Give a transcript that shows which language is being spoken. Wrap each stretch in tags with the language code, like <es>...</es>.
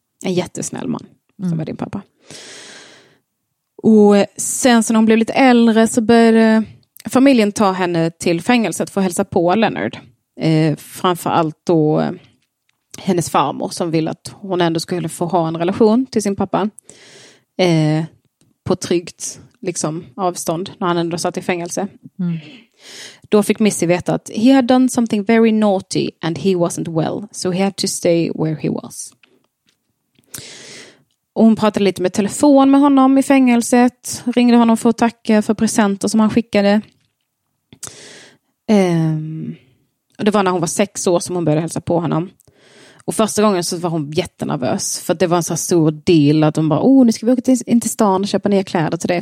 <sv>En jättesnäll man som är din pappa. Och sen när hon blev lite äldre så började familjen ta henne till fängelset för att hälsa på Leonard. Framförallt då hennes farmor som ville att hon ändå skulle få ha en relation till sin pappa. På tryggt liksom, avstånd när han ändå satt i fängelse. Mm. Då fick Missy veta att</sv> <en>he had done something very naughty and he wasn't well, so he had to stay where he was.</en> <sv>Och hon pratade lite med telefon med honom i fängelset, ringde honom för att tacka för presenter som han skickade. Det var när hon var 6 år som hon började hälsa på honom. Och första gången så var hon jättenervös. För att det var en så stor deal att hon bara, nu ska vi åka till stan och köpa nya kläder till det.</sv>